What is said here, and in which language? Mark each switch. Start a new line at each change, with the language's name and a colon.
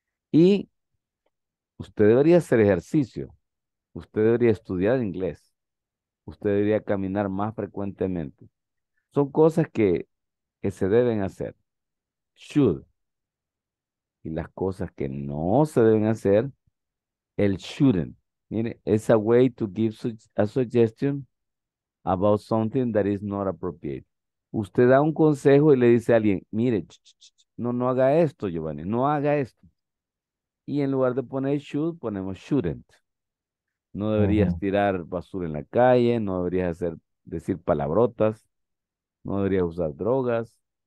Spanish: Y usted debería hacer ejercicio, usted debería estudiar inglés, usted debería caminar más frecuentemente. Son cosas que se deben hacer, should. Y las cosas que no se deben hacer, el shouldn't. Mire,
English: it's a way to give a suggestion about something that is not appropriate.
Spanish: Usted da un consejo y le dice a alguien, mire, no haga esto, Giovanni, no haga esto. Y en lugar de poner should, ponemos shouldn't. No deberías tirar basura en la calle, no deberías decir palabrotas, no deberías usar drogas.